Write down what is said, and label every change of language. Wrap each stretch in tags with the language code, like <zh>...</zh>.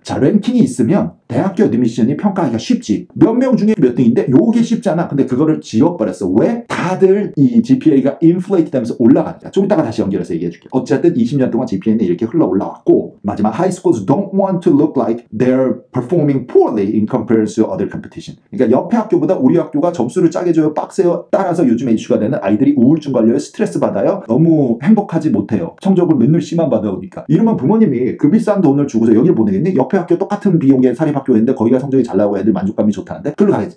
<ko>자, 랭킹이 있으면 대학교 어드미션이 평가하기가 쉽지. 몇 명 중에 몇 등인데 요게 쉽잖아. 근데 그거를 지워버렸어. 왜? 다들 이 GPA가 인플레이트 되면서 올라가니까. 조금 이따가 다시 연결해서 얘기해줄게. 어쨌든 20년 동안 GPA는 이렇게 흘러 올라왔고 마지막 하이스쿨</ko> <en>don't want to look like they're performing poorly in comparison to other competition.</en> <ko>그러니까 옆에 학교보다 우리 학교가 점수를 짜게 줘요. 빡세요. 따라서 요즘에 이슈가 되는 아이들이 우울증 관련에 스트레스 받아요. 너무 행복하지 못해요. 성적을 맨날 씨만 받아오니까. 이러면 부모님이 그 비싼 돈을 주고서 여기를 보내겠니? 옆에 학교 똑같은 비용의 사립학교인데 거기가 성적이 잘 나오고 애들 만족감이 좋다는데? 글로 가야지.</ko>